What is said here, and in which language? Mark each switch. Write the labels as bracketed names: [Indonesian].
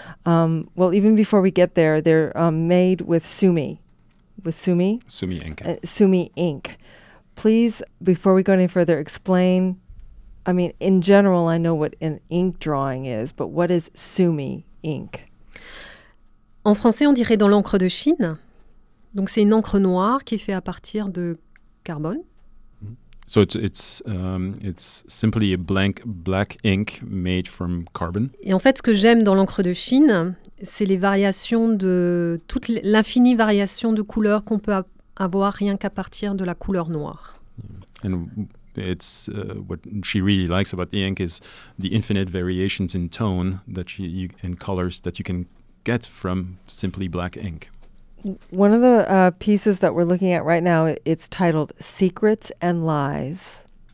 [English] Well, even before we get there, they're made with Sumi. With Sumi? Sumi ink. Sumi ink. Please, before we go any further, explain. I mean, in general, I know what an ink drawing is, but what is Sumi ink? [French] En français, on dirait dans l'encre de Chine. Donc, c'est une encre noire qui est faite à partir de carbone. [English] So it's simply a blank black ink made from carbon. [French] Et en fait, ce que j'aime dans l'encre de Chine, c'est les variations de toute l'infinie variation de couleurs qu'on peut avoir rien qu'à partir de la couleur noire. [English] And it's what she really likes about the ink is the infinite variations in tone that you and colors that you can get from simply black ink. One of the pieces that we're looking at right now, it's titled Secrets and Lies.